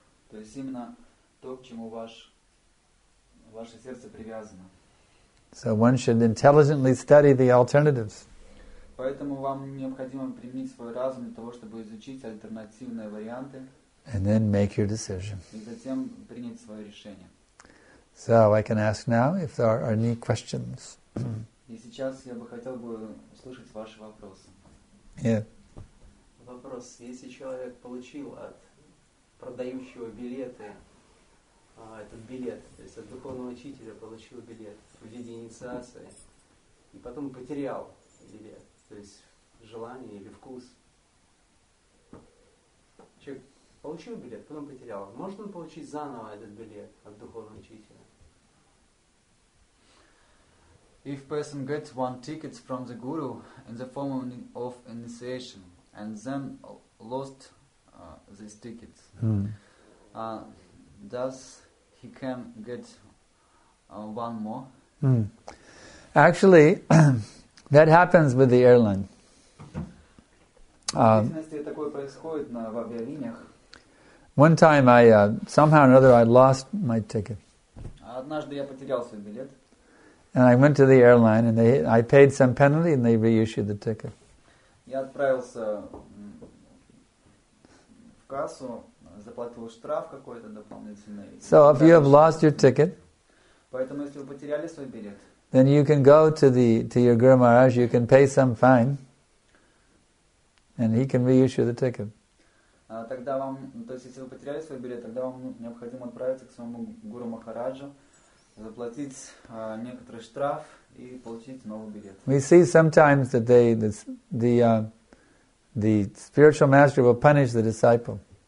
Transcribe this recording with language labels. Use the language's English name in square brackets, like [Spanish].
[Russian] То есть именно то, к чему ваше сердце привязано. [English] So one should intelligently study the alternatives. [Russian] Поэтому вам необходимо применить свой разум для того, чтобы изучить альтернативные варианты. [English] And then make your decision. [Russian] И затем принять свое решение. [English] So I can ask now if there are any questions. [Russian] И сейчас я бы хотел бы услышать ваши вопросы. [English] Yeah. [Russian] Вопрос: если человек получил от продающего билеты этот билет, то есть от духовного учителя получил билет в виде инициации, и потом потерял билет, то есть желание или вкус, человек получил билет, потом потерял, может он получить заново этот билет от духовного учителя? [English] If person gets one ticket from the guru in the form of initiation and then lost these tickets, does he can get one more? Mm. Actually, that happens with the airline. One time I somehow or another I lost my ticket. [Russian] Однажды я потерял свой билет. [English] And I went to the airline, and I paid some penalty, and they reissued the ticket. [Russian] Я отправился в кассу, заплатил штраф какой-то дополнительный. [English] So if you have lost your ticket, [Russian] поэтому если вы потеряли свой билет, [English] then you can go to your Guru Maharaj, you can pay some fine, and he can reissue the ticket. [Russian] Тогда вам, то есть если вы потеряли свой билет, тогда вам необходимо отправиться к своему Гуру Махараджу. Заплатить некоторый штраф и получить новый билет. [English] We see sometimes that they, this, the, The spiritual master will punish the disciple.